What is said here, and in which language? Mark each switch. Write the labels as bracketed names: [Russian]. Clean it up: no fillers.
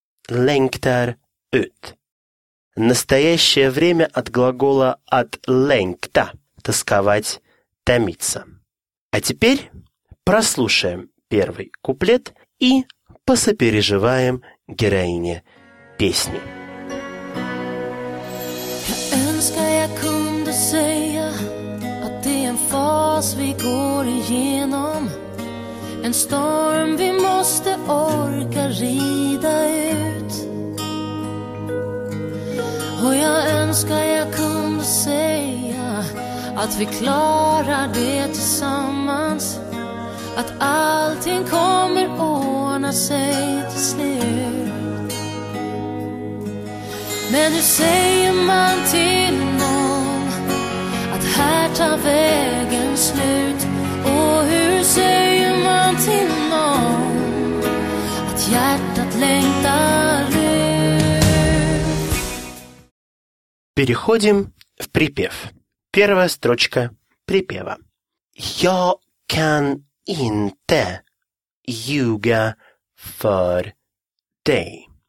[Russian] «Лэнгтар ют». Настоящее время от глагола «от лэнгта» – «тосковать», «томиться». А теперь прослушаем первый куплет и посопереживаем героине песни. [Swedish] Jag önskar jag kunde säga att det är en fas vi går igenom, en storm vi måste orka rida ut. Och jag önskar jag kunde säga att vi klarar det tillsammans, att allting kommer ordna sig till slut. Men nu säger man till någon att här tar vägen slut. Och hur säger man till någon att hjärtat längtar ut? [Russian] Переходим в припев. Первая строчка припева. [Swedish] Jag kan inte ljuga för dig.